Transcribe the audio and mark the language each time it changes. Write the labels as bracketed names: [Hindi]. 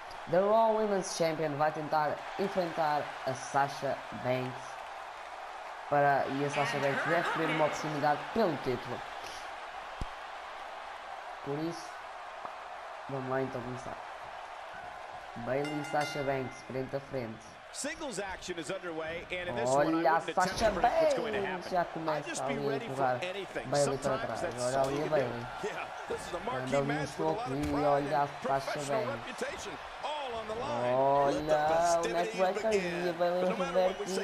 [Portuguese] The Raw Women's Champion vai tentar enfrentar a Sasha Banks. Para... E a Sasha Banks deve ter uma oportunidade pelo título. Por isso, vamos lá então começar. Bayley e Sasha Banks, frente a frente. [English] Singles action is underway, and in this olha one, Sasha Banks! [Portuguese] Já começa ali a empurrar Bayley para trás. Olha ali a Bayley. Anda ali no soco e olha a Sasha Banks. Olha, o neck breaker e a Bayley reverte.